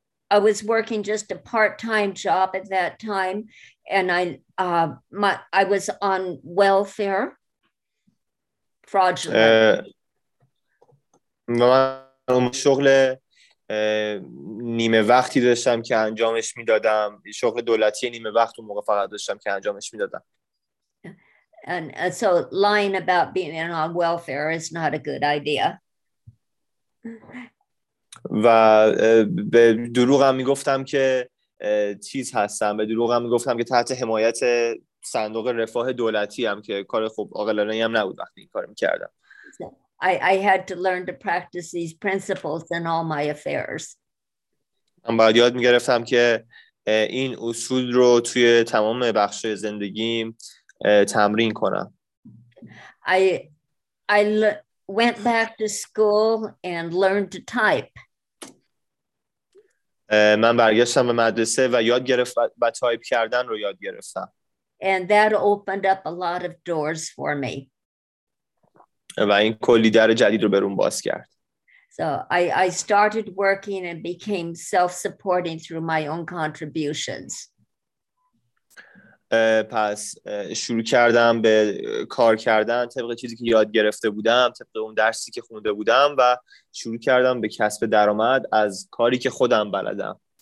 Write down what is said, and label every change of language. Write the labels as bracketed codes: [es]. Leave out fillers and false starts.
[en] I was working just a part-time job at that time and I was on welfare fraudulently. [fa] من شغل نیمه وقتی داشتم که انجامش میدادم، شغل دولتی نیمه وقت اون موقع فقط داشتم که انجامش میدادم. [en] And so lying about being on welfare is not a good idea. [fa] و به دروغم میگفتم که چیز هستم، به دروغم میگفتم که تحت حمایت صندوق رفاه دولتی هم که کار خوب عاقلانه‌ای هم نبود وقتی این کارو میکردم. [en] I had to learn to practice these principles in all my affairs. [fa] من باید یاد میگرفتم که این اصول رو توی تمام بخش‌های زندگیم تمرین کنم. [en] I went back to school and learned to type. [fa] من برگشتم به مدرسه و یاد گرفتم و تایپ کردن رو یاد گرفتم. [en] And that opened up a lot of doors for me. [fa] و این کلی در جدید رو برون باز کرد. [en] So I started working and became self-supporting through my own contributions. [fa] پس شروع کردم به کار کردن طبق چیزی که یاد گرفته بودم، طبق اون درسی که خونده بودم و شروع کردم به کسب درآمد از کاری که خودم بلدم.